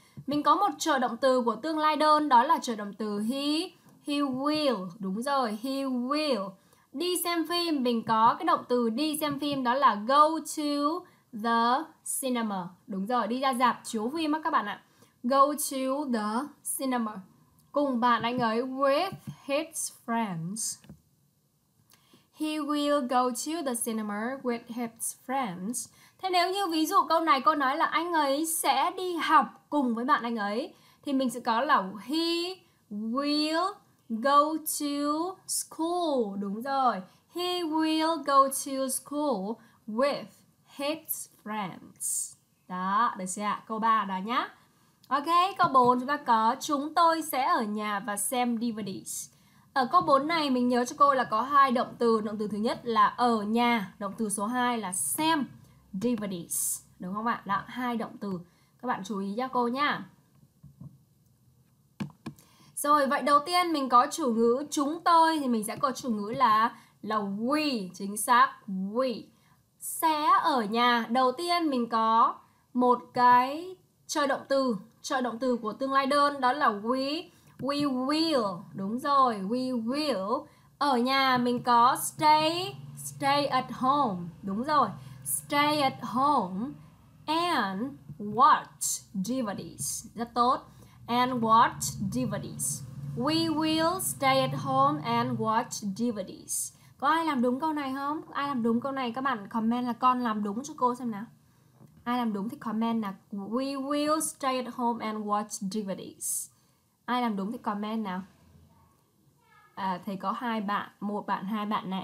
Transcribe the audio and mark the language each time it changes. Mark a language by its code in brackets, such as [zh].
[vi] Mình có một trợ động từ của tương lai đơn, đó là trợ động từ he. [en] He will, [vi] đúng rồi, [en] he will. [vi] Đi xem phim, mình có cái động từ đi xem phim, đó là [en] go to the cinema. [vi] Đúng rồi, đi ra rạp chiếu phim á các bạn ạ. [en] Go to the cinema [vi] cùng bạn anh ấy, [en] with his friends. He will go to the cinema with his friends. [vi] Thế nếu như ví dụ câu này cô nói là anh ấy sẽ đi học cùng với bạn anh ấy, thì mình sẽ có là [en] he will go to school. [vi] Đúng rồi, [en] he will go to school with his friends. [vi] Đó, được chưa ạ? Câu 3 đó nhá. Ok, câu 4 chúng ta có chúng tôi sẽ ở nhà và xem DVDs. Ở câu 4 này mình nhớ cho cô là có hai động từ. Động từ thứ nhất là ở nhà, động từ số 2 là xem DVDs. Đúng không ạ? Đó, hai động từ. Các bạn chú ý cho cô nha. Rồi, vậy đầu tiên mình có chủ ngữ chúng tôi thì mình sẽ có chủ ngữ là we, chính xác, we. Sẽ ở nhà, đầu tiên mình có một cái trợ động từ của tương lai đơn, đó là [en] we will, [vi] đúng rồi, we will. Ở nhà mình có [en] stay at home, [vi] đúng rồi, [en] stay at home and watch DVDs, [vi] rất tốt. [en] And watch DVDs. We will stay at home and watch DVDs. [vi] Có ai làm đúng câu này không? Ai làm đúng câu này các bạn comment là con làm đúng cho cô xem nào. Ai làm đúng thì comment là [en] we will stay at home and watch DVDs. [vi] Ai làm đúng thì comment nào. À, thì có hai bạn, một bạn, hai bạn này.